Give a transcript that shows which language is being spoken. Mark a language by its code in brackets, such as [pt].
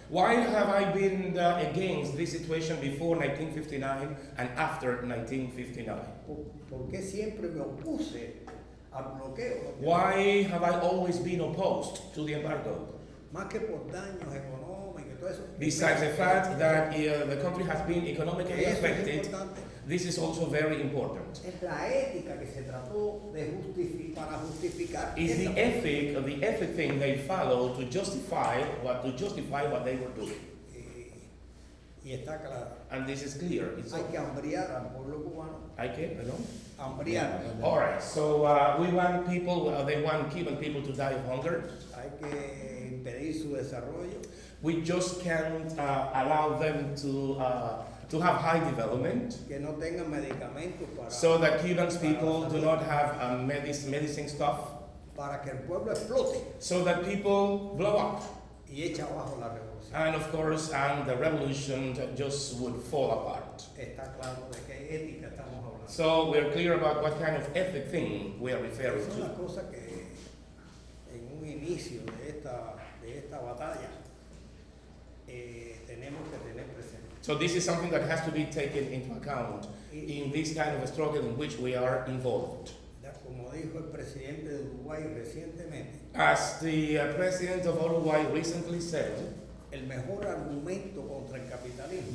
[en] Why have I been against this situation before 1959 and after 1959? [es] ¿Por qué siempre me opuse al bloqueo? [en] Why have I always been opposed to the embargo? [es] Más que por daños económicos y todo eso. [en] Besides the fact that the country has been economically affected, this is also very important. [es] Es la ética que se trató de justificar. [en] Is the ethic thing they follow to justify what they were doing. [es] Y está claro. [en] And this is clear. [es] It's hay que hambriar al pueblo cubano. Hay que, perdón. Hambriar. [en] Yeah. All right. So we want people. They want Cuban people to die of hunger. [es] Hay que impedir su desarrollo. [en] We just can't allow them to have high development, [es] que no tengan medicamentos para, [en] so that Cuban people do not have medicine stuff, [es] para que el pueblo explote, [en] so that people blow up, [es] y echa abajo la revolución. [en] And of course, and the revolution just would fall apart. [es] Está claro de qué ética estamos hablando. [en] So we're clear about what kind of ethic thing we are referring to. [es] Es una cosa que en un inicio de esta batalla tenemos que tener presente. [en] So this is something that has to be taken into account in this kind of a struggle in which we are involved. [es] Como dijo el presidente de Uruguay recientemente, [en] as the president of Uruguay recently said, [es] el mejor argumento contra el capitalismo,